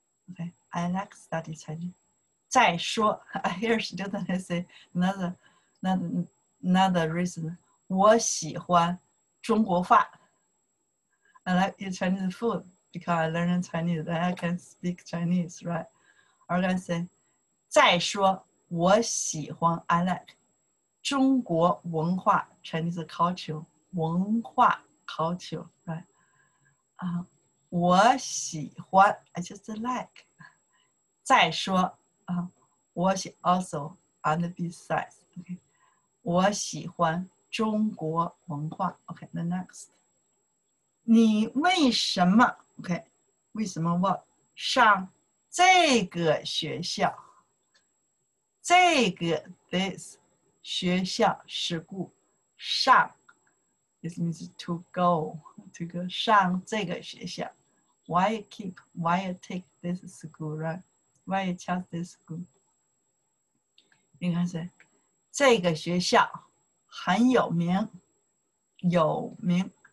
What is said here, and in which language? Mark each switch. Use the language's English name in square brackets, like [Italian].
[English] Okay, I like study Chinese. [Chinese] 再说 [English] ，I hear students say another reason. [Chinese] 我喜欢中国饭。 [English] I like eat Chinese food because I learn Chinese. Then I can speak Chinese, right? Or I can say, [Chinese] 再说。 [English] 我喜欢 I like 中国文化 Chinese culture 文化 culture right 啊、我喜欢 I just like 再说啊、我喜 also and besides OK [Chinese] 我喜欢中国文化 [English] OK the next [Chinese] 你为什么 [English] OK 为什么 what [Chinese] 上这个学校？ [English] 这个 this 学校 school 上 it means to go [Chinese] 上这个学校 [English] why you take this school right why you choose this school [Chinese] 你看谁这个学校很有名有名